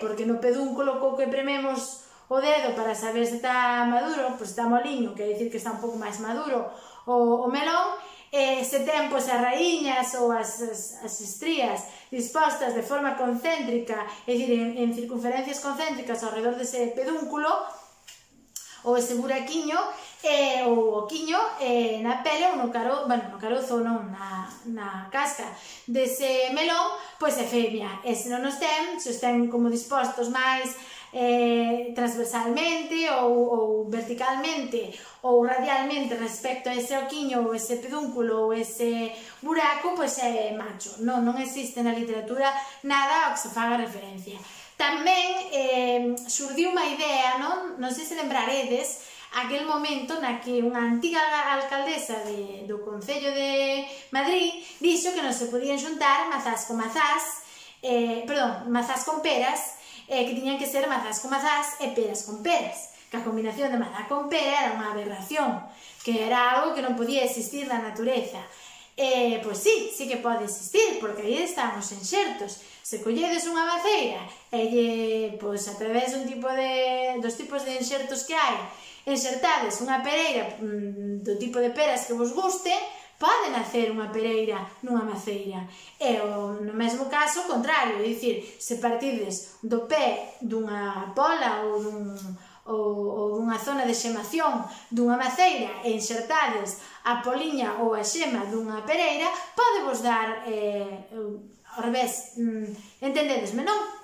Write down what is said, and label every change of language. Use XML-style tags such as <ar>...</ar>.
<gl>Porque no pedúnculo co que prememos o dedo para saber se está maduro, pues está moliño, quer dicir que está un pouco máis maduro o melón, se ten pues, as raíñas ou as estrías dispostas de forma concéntrica, é dicir, en circunferencias concéntricas ao redor dese pedúnculo, ou ese buraquiño, ou o quiño na pele ou no carozo, bueno, no carozo non, na casca dese melón, pois é femia. E se non os ten, se os ten como dispostos máis transversalmente o verticalmente o radialmente respecto a ese oquiño o ese pedúnculo o ese buraco, pues es macho.</gl> <es>No, no existe en la literatura nada a que se haga referencia. También surgió una idea, ¿no? No sé si lembraredes, aquel momento en que una antiga alcaldesa del Concello de Madrid dijo que no se podían juntar mazás con mazás, perdón, mazás con peras, que tenían que ser mazás con mazás y peras con peras. Que la combinación de mazá con pera era una aberración, que era algo que no podía existir en la naturaleza. Pues sí, sí que puede existir, porque ahí estamos enxertos.</es> <gl>Se colledes unha maceira, e, pues, a través de un tipo de dos tipos de enxertos que hai, enxertades unha pereira do tipo de peras que vos guste, pode nacer unha pereira nunha maceira. E o, no mesmo caso, o contrario, é dicir, se partides do pé dunha pola ou dunha zona de xemación dunha maceira e enxertades a poliña ou a xema dunha pereira, pode vos dar, ao revés, entendedesme, non?</gl>